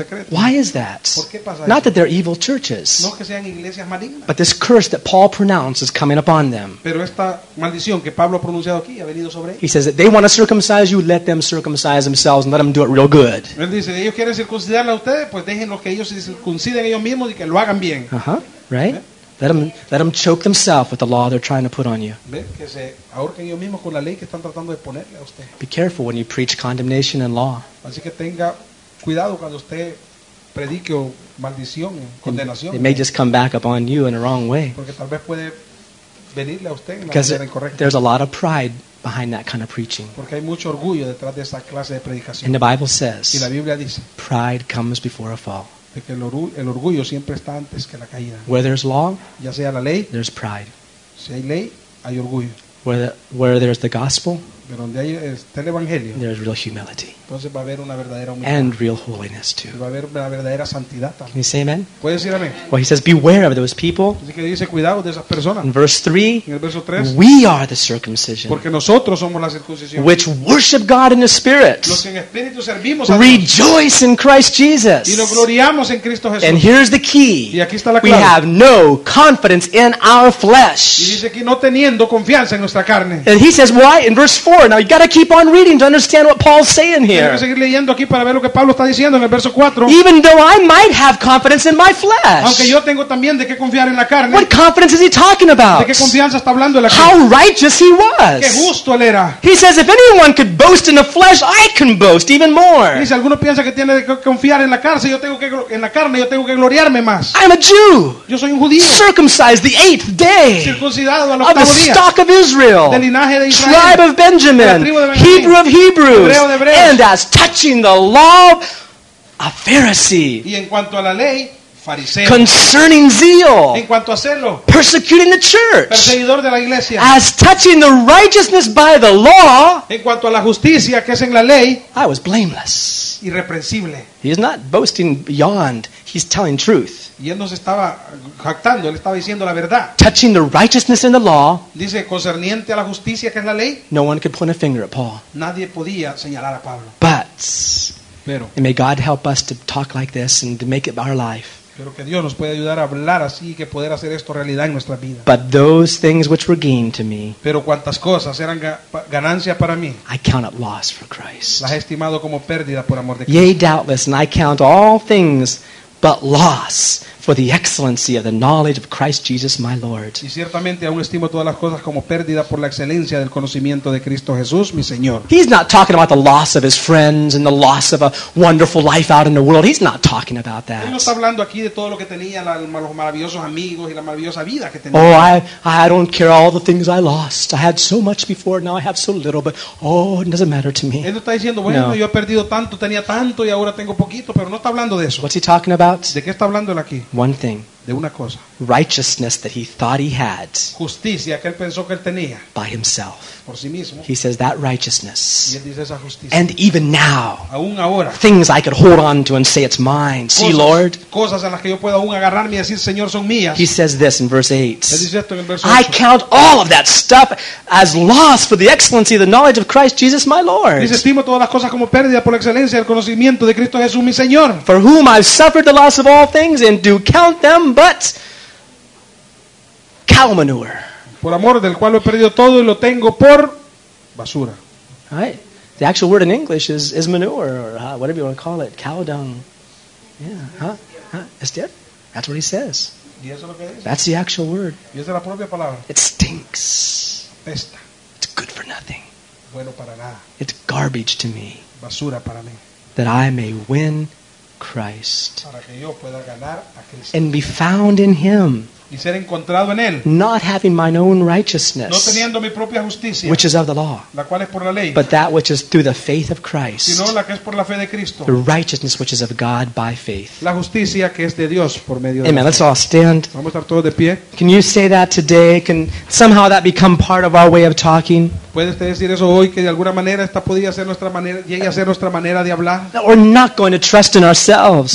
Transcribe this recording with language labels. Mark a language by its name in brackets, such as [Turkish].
[English] Why is that? Not that they're evil churches, but this curse that Paul pronounced is coming upon them. He says that they want to circumcise you, let them circumcise themselves and let them do it real good. [Spanish] Él dice, ellos quieren circuncidarla a ustedes, pues déjenlos que ellos se circunciden ellos mismos y que lo hagan bien. [English] Right? Let them choke themselves with the law they're trying to put on you. [Spanish] Que se ahorquen ellos mismos con la ley que están tratando de ponerle a usted. [English] Be careful when you preach condemnation and law. [Spanish] Así que tenga cuidado cuando usted predique maldición, condenación. [English] It may just come back upon you in a wrong way. [Spanish] Porque tal vez puede venirle a usted en [English] because [Spanish] la manera incorrecta. [English] There's a lot of pride behind that kind of preaching. [Spanish] Porque hay mucho orgullo detrás de esa clase de predicación. [English] And the Bible says, [Spanish] y la Biblia dice, [English] pride comes before a fall. [Spanish] De que el orgullo siempre está antes que la caída. [English] Where there's law, [Spanish] ya sea la ley, [English] there's pride. [Spanish] Si hay ley, hay orgullo. [English] Where there's the gospel, [Spanish] pero donde hay, está el evangelio, [English] there's real humility. [Spanish] Entonces va a haber una verdadera humildad. [English] And real holiness too. [Spanish] Va a haber una verdadera santidad también. [English] Can you say amen? [Spanish] ¿Puedes decir amén? [English] Well, he says, beware of those people. [Spanish] Así que dice, cuidado de esas personas. [English] In verse 3, [Spanish] en el verso 3, [English] we are the circumcision, [Spanish] porque nosotros somos la circuncisión, [English] which worship God in the Spirit, [Spanish] los que en espíritu servimos a [English] Dios, rejoice in Christ Jesus, [Spanish] y nos gloriamos en Cristo Jesús. [English] And here's the key. [Spanish] Y aquí está la clave. [English] We have no confidence in our flesh. [Spanish] Y dice aquí, no teniendo confianza en nuestra carne. [English] And he says, why? In verse 4, now you got to keep on reading to understand what Paul's saying here. [Spanish] Tengo que seguir leyendo aquí para ver lo que Pablo está diciendo en el verso 4. [English] Even though I might have confidence in my flesh. [Spanish] Aunque yo tengo también de qué confiar en la carne. [English] What confidence is he talking about? [Spanish] ¿De qué confianza está hablando la carne? [English] How righteous he was. [Spanish] Qué justo él era. [English] He says, if anyone could boast in the flesh, I can boast even more. [Spanish] Dice, alguno piensa que tiene de qué confiar en la carne, yo tengo que gloriarme más. [English] I'm a Jew. [Spanish] Yo soy un judío. [English] Circumcised the eighth day. [Spanish] Circuncidado al octavo día. [English] Of the stock of Israel. [Spanish] Del linaje de Israel. [English] Tribe of Benjamin. [Spanish] De la tribu de Benjamín. [English] Hebrew of Hebrews. [Spanish] Hebreo de Hebreos. [English] And as touching the law, a Pharisee. [Spanish] Y en cuanto a la ley, fariseo. [English] Concerning zeal. [Spanish] En cuanto a celo, [English] persecuting the church. [Spanish] Perseguidor de la iglesia. [English] As touching the righteousness by the law. [Spanish] En cuanto a la justicia que es en la ley, [English] I was blameless. [Spanish] Irreprensible. [English] He is not boasting beyond. He's telling truth. [Spanish] Y él no se estaba jactando, él estaba diciendo la verdad. [English] Touching the righteousness in the law. [Spanish] Dice, concerniente a la justicia que es la ley. [English] No one could point a finger at Paul. [Spanish] Nadie podía señalar a Pablo. [English] But, [Spanish] pero, [English] and may God help us to talk like this and to make it our life. [Spanish] Pero que Dios nos puede ayudar a hablar así y que poder hacer esto realidad en nuestra vida. [English] But those things which were gain to me. [Spanish] Pero cuantas cosas eran ganancia para mí. [English] I count it loss for Christ. [Spanish] Las he estimado como pérdida por amor de Cristo. [English] Yea, doubtless, and I count all things but loss for the excellency of the knowledge of Christ Jesus my Lord. [Spanish] Y ciertamente aún estimo todas las cosas como pérdida por la excelencia del conocimiento de Cristo Jesús mi Señor. [English] He's not talking about the loss of his friends and the loss of a wonderful life out in the world. He's not talking about that. [Spanish] Él no está hablando aquí de todo lo que tenía, los maravillosos amigos y la maravillosa vida que tenía. [English] Oh, I don't care all the things I lost. I had so much before, now I have so little, but oh, it doesn't matter to me. [Spanish] Él no está diciendo, bueno, no. Yo he perdido tanto, tenía tanto y ahora tengo poquito, pero no está hablando de eso. [English] What's he talking about? [Spanish] ¿De qué está hablando él aquí? [English] One thing. [Spanish] De una cosa. [English] Righteousness that he thought he had. [Spanish] Justicia que él pensó que él tenía. [English] By himself. [Spanish] Por sí mismo. [English] He says that righteousness. [Spanish] Y él dice esa justicia. [English] And even now. [Spanish] Aún ahora. [English] Things I could hold on to and say it's mine. [Spanish] Cosas, [English] see, Lord. [Spanish] Cosas a las que yo puedo aún agarrarme y decir, Señor, son mías. [English] He says this in verse 8. [Spanish] Él dice esto en el verso [English] 8. I count all of that stuff as loss for the excellency of the knowledge of Christ Jesus my Lord. [Spanish] Dice, estimo todas las cosas como pérdida por la excelencia del conocimiento de Cristo Jesús mi Señor. [English] For whom I've suffered the loss of all things and do count them but cow manure. [Spanish] Por amor del cual lo he perdido todo y lo tengo por basura. [English] Right. The actual word in English is manure or whatever you want to call it, cow dung. Yeah. Huh? Huh? Is that? That's what he says. [Spanish] ¿Y eso es lo que dice? [English] That's the actual word. [Spanish] ¿Y esa es la propia palabra? [English] It stinks. [Spanish] Pesta. [English] It's good for nothing. [Spanish] Bueno para nada. [English] It's garbage to me. [Spanish] Basura para mí. [English] That I may win Christ. [Spanish] Para que yo pueda ganar a Cristo. [English] And be found in Him. [Spanish] Y ser encontrado en él. [English] Not having mine own righteousness, [Spanish] no teniendo mi propia justicia, [English] which is of the law, [Spanish] la cual es por la ley, [English] but that which is through the faith of Christ, [Spanish] sino la que es por la fe de Cristo, [English] the righteousness which is of God by faith. [Spanish] La justicia que es de Dios por medio [English] Amen. [Spanish] De [English] Let's all stand. [Spanish] Vamos a estar todos de pie. [English] Can you say that today? Can somehow that become part of our way of talking? [Spanish] ¿Puede usted decir eso hoy, que de alguna manera esta podría ser nuestra manera, llegue a ser nuestra manera de hablar? [English] That we're not going to trust in ourselves,